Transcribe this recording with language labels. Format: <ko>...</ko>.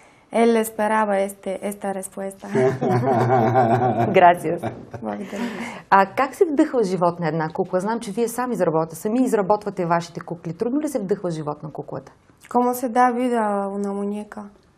<es>Él esperaba esta respuesta. Gracias.</es> <bg>А как се вдъхва живот на една кукла? Знам, че вие сами изработвате вашите кукли. Трудно ли се вдъхва живот на куклата?</bg> <es>¿Cómo se da vida a una muñeca?</es>